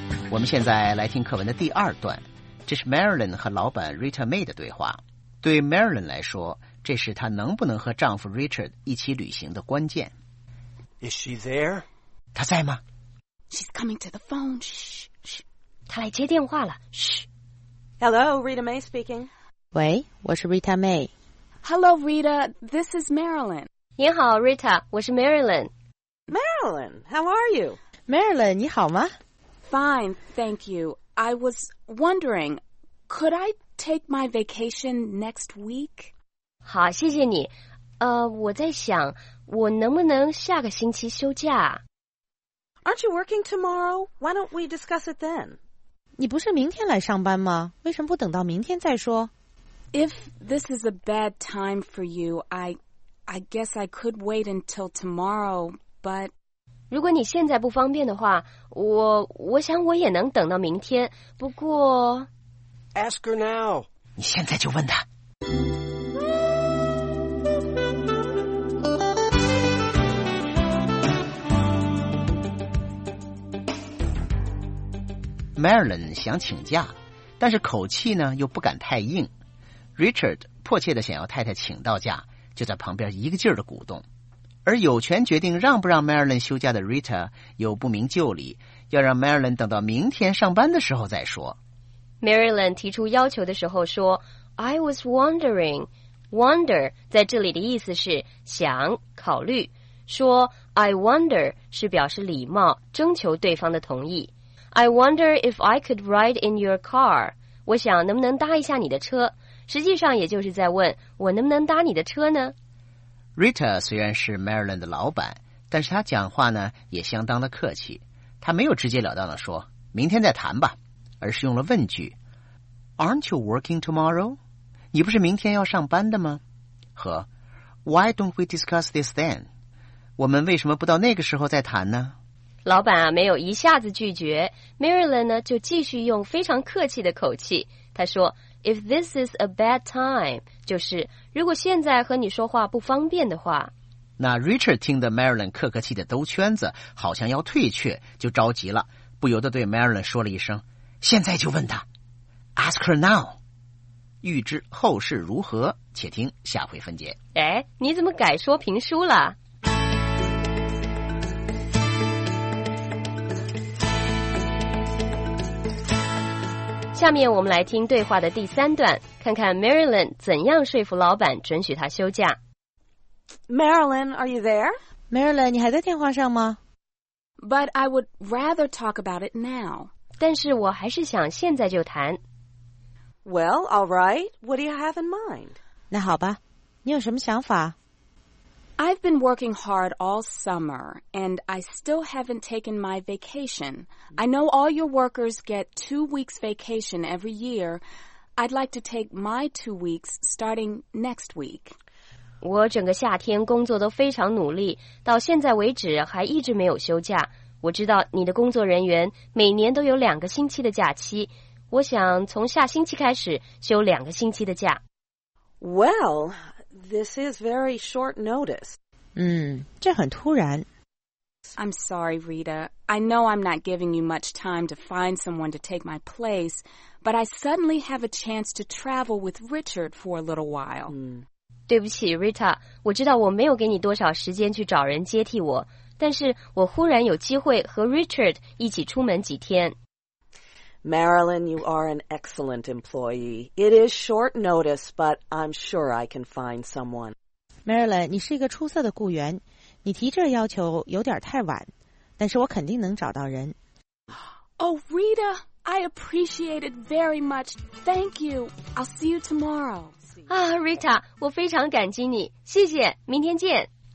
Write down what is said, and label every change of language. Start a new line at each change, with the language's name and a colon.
Chinese: 我们现在来听课文的第二段，这是 Marilyn 和老板 Rita May 的对话。对 Marilyn 来说，这是她能不能和丈夫 Richard 一起旅行的关键。
English: Is she there?
Chinese: 她在吗？
English: She's coming to the phone. Shh, shh.
Chinese: 他来接电话了。嘘。
English: Hello, Rita May speaking.
Chinese: 喂，我是 Rita May.
English: Hello, Rita. This is Marilyn.
Chinese: 你好 ，Rita， 我是 Marilyn.
English: Marilyn, how are you?
Chinese: Marilyn， 你好吗
English: ？Fine, thank you. I was wondering, could I take my vacation next week?
Chinese: 好，谢谢你。我在想，我能不能下个星期休假
English: ？Aren't you working tomorrow? Why don't we discuss it then?
Chinese: 你不是明天来上班吗？为什么不等到明天再说
English: ？If this is a bad time for you, I guess I could wait until tomorrow, but
Chinese: 如果你现在不方便的话，我想我也能等到明天。不过
English: ，Ask her now.
Chinese: 你现在就问她。 Marilyn 想请假，但是口气呢又不敢太硬。 Richard 迫切地想要太太请到假，就在旁边一个劲儿地鼓动。而有权决定让不让 Marilyn 休假的 Rita 又不明就里，要让 Marilyn 等到明天上班的时候再说。 Marilyn 提出要求的时候说 ： “I was wondering. Wonder 在这里的意思是想、考虑。说 I wonder 是表示礼貌，征求对方的同意。”
English: I wonder if I could ride in your car.
Chinese: 我想能不能搭一下你的车，实际上也就是在问我能不能搭你的车呢。 Rita 虽然是 Marilyn 的老板，但是他讲话呢也相当的客气。他没有直截了当的说明天再谈吧，而是用了问句 ： Aren't you working tomorrow? 你不是明天要上班的吗？
English: 和 Why don't we discuss this then?
Chinese: 我们为什么不到那个时候再谈呢？老板啊，没有一下子拒绝 ，Marilyn 呢就继续用非常客气的口气，他说 ： “If this is a bad time，就是如果现在和你说话不方便的话。” 那 Richard 听得 Marilyn 客客气的兜圈子，好像要退却，就着急了，不由得对 Marilyn 说了一声：“现在就问他 ， Ask her now。” 预知后事如何，且听下回分解。哎，你怎么改说评书了？下面我们来听对话的第三段，看看 Marilyn 怎样说服老板准许她休假。
English: Marilyn, are you there?
Chinese: Marilyn, 你还在电话上吗？
English: But I would rather talk about it now.
Chinese: 但是我还是想现在就谈。
English: Well, all right. What do you have in mind?
Chinese: 那好吧，你有什么想法？
English: I've been working hard all summer, and I still haven't taken my vacation. I know all your workers get 2 weeks vacation every year. I'd like to take my 2 weeks starting next week.
Chinese: 我整个夏天工作都非常努力，到现在为止还一直没有休假。我知道你的工作人员每年都有两个星期的假期，我想从下星期开始休两个星期的假。
English: Well... This is very short notice.
Chinese: 这很突然。
English: I'm sorry, Rita. I know I'm not giving you much time to find someone to take my place, but I suddenly have a chance to travel with Richard for a little while.
Chinese: 对不起 ，Rita， 我知道我没有给你多少时间去找人接替我，但是我忽然有机会和 Richard 一起出门几天。
English: Marilyn, you are an excellent employee. It is short notice, but I'm sure I can find someone.
Chinese: Marilyn, 你是一个出色的雇员，你提这要求有点太晚，但是我肯定能找到人。
English: Oh, Rita, I appreciate it very much. Thank you. I'll see you tomorrow.
Chinese: Ah, Rita, 我非常感激你，谢谢，明天见。